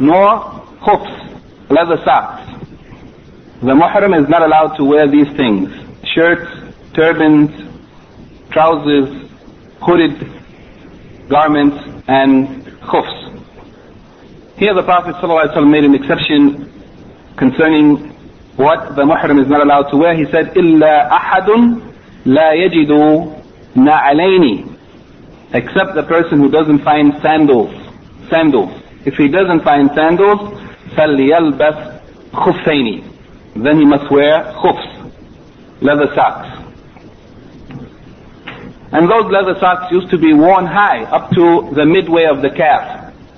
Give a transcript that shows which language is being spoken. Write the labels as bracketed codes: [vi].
[en] Nor خُفs, leather socks. The muhrim is not allowed to wear these things. Shirts, turbans, trousers, hooded garments, and khufs. Here the Prophet ﷺ made an exception concerning what the muhrim is not allowed to wear. He said, [ar] إِلَّا أَحَدٌ لَا يَجِدُ نَعَلَيْنِ. [en] Except the person who doesn't find sandals. Sandals. If he doesn't find sandals, [ar] فَلْيَلْبَسْ خُفَّيْنِ. [en] Then he must wear khufs, leather socks. And those leather socks used to be worn high, up to the midway of the calf.